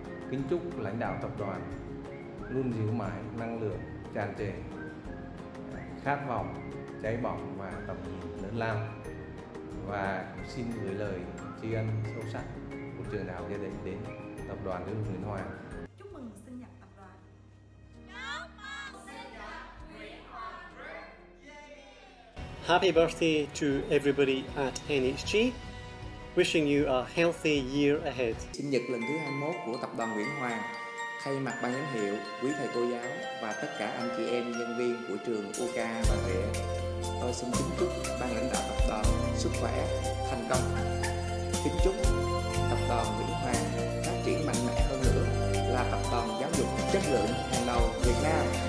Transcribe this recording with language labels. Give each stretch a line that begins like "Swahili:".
Vietnamese: Kính chúc lãnh đạo tập đoàn luôn giữ mãi năng lượng tràn trề, khát vọng cháy bỏng và tầm nhìn lớn lao, và xin gửi lời tri ân sâu sắc của trường đạo gia đình đến tập đoàn Nguyễn Hoàng. Chúc mừng sinh nhật tập đoàn. Chúc
English: Happy birthday to everybody at NHG. Wishing you a healthy year ahead.
Vietnamese: Sinh nhật lần thứ 21 của tập đoàn Nguyễn Hoàng. Thay mặt ban giám hiệu, quý thầy cô giáo và tất cả anh chị em nhân viên của trường UK Bà Rịa, tôi xin kính chúc ban lãnh đạo tập đoàn sức khỏe, thành công. Kính chúc tập đoàn Nguyễn Hoàng phát triển mạnh mẽ hơn nữa, là tập đoàn giáo dục chất lượng hàng đầu Việt Nam.